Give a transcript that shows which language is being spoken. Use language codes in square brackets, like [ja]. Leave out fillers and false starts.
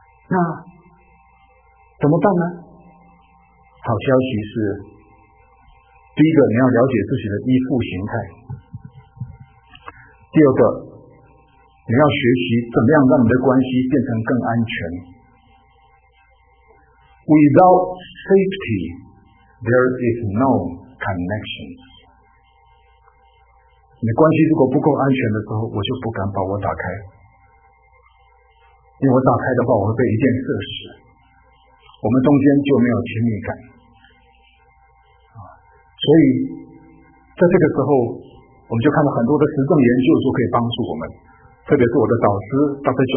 [zh] 那怎么办呢？好消息是，第一个你要了解自己的依附形态。第二个，你要学习怎么样让你的关系变成更安全。 [en] Without safety, there is no connection. [zh] 你关系如果不够安全的时候，我就不敢把我打开，因为我打开的话，我会被一箭射死，我们中间就没有亲密感。所以，在这个时候，我们就看到很多的实证研究都可以帮助我们，特别是我的导师 Dr.